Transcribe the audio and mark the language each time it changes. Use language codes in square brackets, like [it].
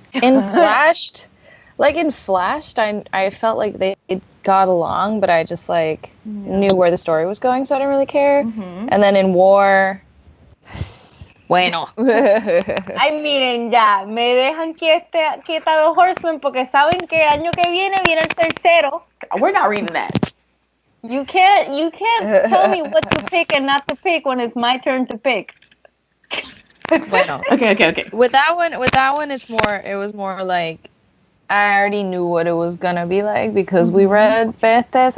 [en] In Flashed, I felt like they got along, but I just, like, knew where the story was going, so I didn't really care. Mm-hmm. And then in War, bueno. [es] Ay, miren, ya, me dejan quieta los horsemen porque saben que año que viene viene el tercero. [en] We're not reading that. You can't tell me what to pick and not to pick when it's my turn to pick. Bueno. Okay. With that one, it was more like I already knew what it was gonna be like because we read Bethes.